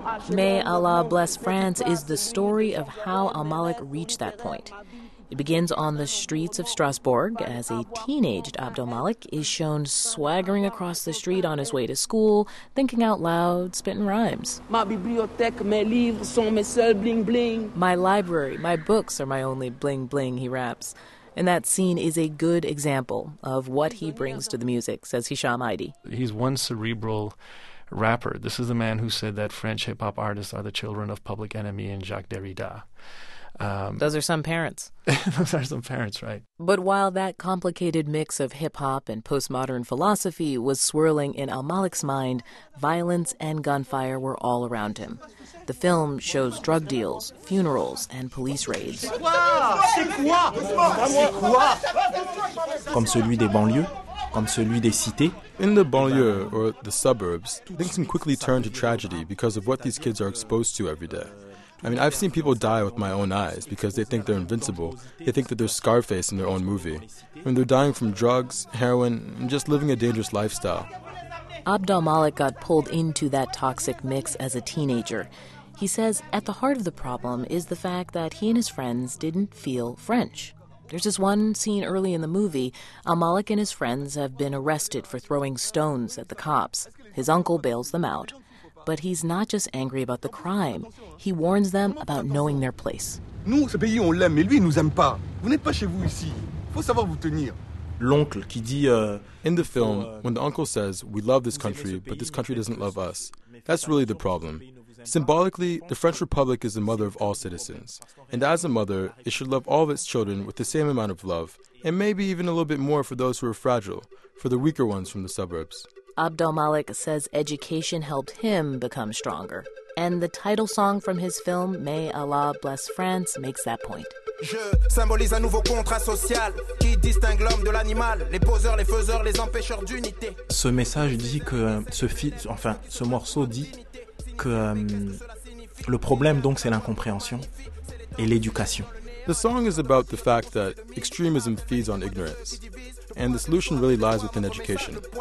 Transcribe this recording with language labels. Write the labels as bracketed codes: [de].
[en] May Allah Bless France is the story of how Abdelmalek reached that point. It begins on the streets of Strasbourg as a teenaged Abdelmalek is shown swaggering across the street on his way to school, thinking out loud, spitting rhymes. [fr] Ma bibliothèque, mes livres sont mes seuls bling bling. [en] My library, my books are my only bling bling, he raps. And that scene is a good example of what he brings to the music, says Hisham Aidi. He's one cerebral rapper. This is the man who said that French hip-hop artists are the children of Public Enemy and Jacques Derrida. Those are some parents. Those are some parents, right. But while that complicated mix of hip-hop and postmodern philosophy was swirling in Abdelmalek's mind, violence and gunfire were all around him. The film shows drug deals, funerals, and police raids. [fr] Comme celui des banlieues, comme celui des cités. [en] In the banlieue, or the suburbs, things can quickly turn to tragedy because of what these kids are exposed to every day. I mean, I've seen people die with my own eyes because they think they're invincible. They think that they're Scarface in their own movie. I mean, they're dying from drugs, heroin, and just living a dangerous lifestyle. Abdelmalek got pulled into that toxic mix as a teenager. He says at the heart of the problem is the fact that he and his friends didn't feel French. There's this one scene early in the movie. Abdelmalek and his friends have been arrested for throwing stones at the cops. His uncle bails them out. But he's not just angry about the crime. He warns them about knowing their place. [fr] Nous, ce pays, on l'aime, mais lui, il nous aime pas. Vous n'êtes pas chez vous ici. Faut savoir vous tenir. L'oncle qui dit, [en] in the film, when the uncle says, we love this country, but this country doesn't love us, that's really the problem. Symbolically, the French Republic is the mother of all citizens. And as a mother, it should love all of its children with the same amount of love, and maybe even a little bit more for those who are fragile, for the weaker ones from the suburbs. Abdelmalek says education helped him become stronger. And the title song from his film, May Allah Bless France, makes that point. [fr] Je symbolise un nouveau contrat social qui distingue l'homme de l'animal, les poseurs, les faiseurs, les empêcheurs d'unité. Ce message dit que ce morceau dit que le problème donc c'est l'incompréhension et l'éducation. [en] The song is about the fact that extremism feeds on ignorance. And the solution really lies within education.